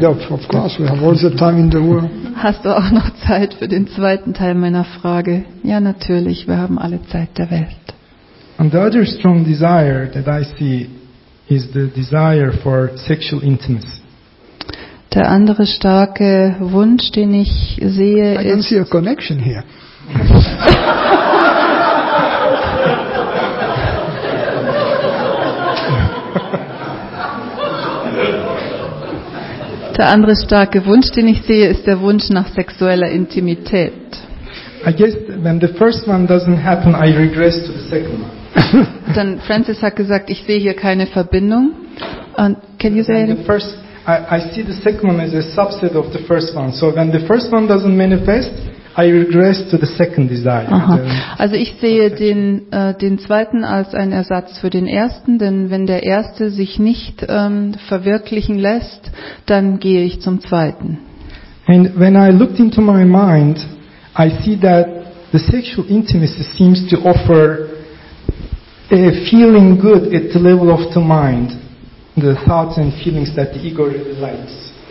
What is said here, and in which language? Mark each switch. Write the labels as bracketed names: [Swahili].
[English] Yeah, of course, we have all the time in the world. [German] Hast du auch noch Zeit für den zweiten Teil meiner Frage? Ja, natürlich, wir haben alle Zeit der Welt. [English] And the other strong desire that I see is the desire for sexual intimacy. [German] Der andere starke Wunsch, den ich sehe, [English] I don't see a connection here. [German] Der andere starke Wunsch, den ich sehe, ist der Wunsch nach sexueller Intimität. [English] I guess when the first one doesn't happen, I regress to the second one. [German] Dann Francis hat gesagt, ich sehe hier keine Verbindung. [English] And can you say the first, I see the second one as a subset of the first one. So when the first one doesn't manifest, I regress to the second desire. [German] Also ich sehe den zweiten als einen Ersatz für den ersten, denn wenn der erste sich nicht verwirklichen lässt, dann gehe ich zum zweiten. [English] And when I looked into my mind, I see that the sexual intimacy seems to offer a feeling good at the level of the mind, the thoughts and feelings that the ego likes.